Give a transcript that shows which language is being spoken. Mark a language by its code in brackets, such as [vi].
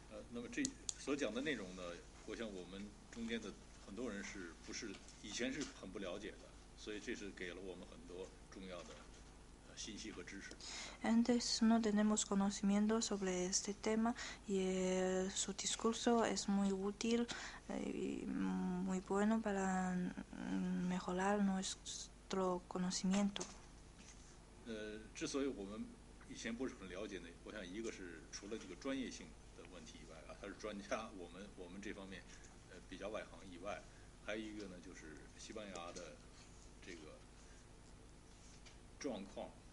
[zh] 那么这所讲的内容呢，我想我们中间的很多人是不是以前是很不了解的，所以这是给了我们很多重要的信息和知识。 [es] Antes no tenemos conocimiento sobre este tema y su discurso es muy útil y muy bueno para mejorar nuestro conocimiento. [zh] 之所以我们以前不是很了解呢，我想一个是除了这个专业性的问题以外啊，他是专家，我们这方面比较外行以外，还有一个呢就是西班牙的这个状况。